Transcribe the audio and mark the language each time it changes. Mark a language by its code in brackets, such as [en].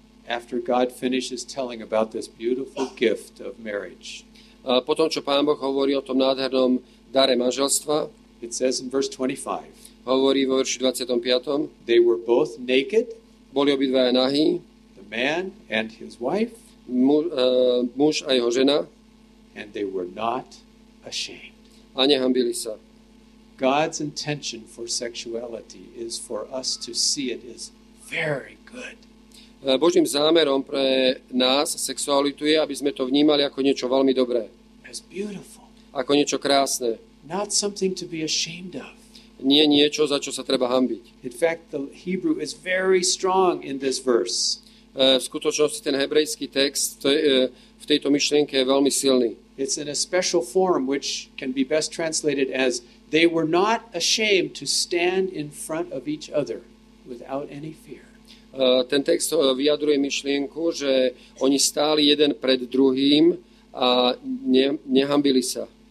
[en] After God finishes telling about this beautiful gift of marriage. [sk] Potom, čo Pán Boh hovorí o tom nádhernom dare manželstva. [en] It says in verse 25. [sk] Hovorí vo verši 25. [en] They were both naked. [sk] Boli obidvaja nahí. [en] The man and his wife. [sk] Muž a jeho žena. [en] And they were not ashamed. [sk] A nehanbili sa. [en] God's intention for sexuality is for us to see it as very good. [sk] Božím zámerom pre nás sexualitu je, aby sme to vnímali ako niečo veľmi dobré. Ako niečo krásne. [en] Not something to be ashamed of. [sk] Nie niečo, za čo sa treba hanbiť. [en] In fact, the Hebrew is very strong in this verse. [sk] V skutočnosti ten hebrejský text v tejto myšlienke je veľmi silný. [en] It's in a special form which can be best translated as they were not ashamed to stand in front of each other without any fear. [sk] Ten text vyjadruje myšlienku, že oni stáli jeden pred druhým a nehanbili sa.